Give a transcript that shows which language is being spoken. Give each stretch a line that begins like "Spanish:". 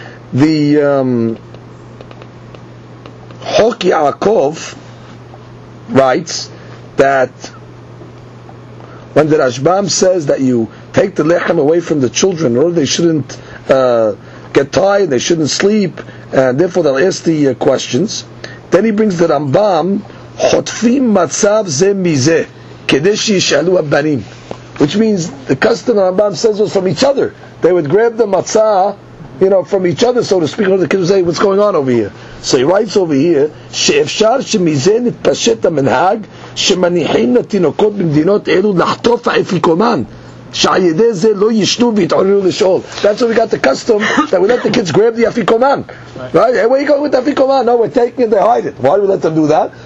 English: The Chok Yaakov writes that when the Rashbam says that you take the lechem away from the children or they shouldn't get tired, they shouldn't sleep, and therefore they'll ask the questions, then he brings the Rambam,
Hebrew: Chotfim Matzav Ze Mize, Kedesh Yishalu Abbanim,
English: which means the custom the Rambam says was from each other. They would grab the matzah, you know, from each other, so to speak, or the kids would say, what's going on over here?
Hebrew: So he writes over here, שאפשר שמזה נתפשט המנהג שמניחים לתינוקות במדינות אלו לחטוף האפיקומן שעידי זה לא ישנו והתעוררו לשאול.
English: That's where we got the custom, that we let the kids grab the אפיקומן. Right? Hey, where are you going with the אפיקומן? No, we're taking it, they hide it. Why do we let them do that?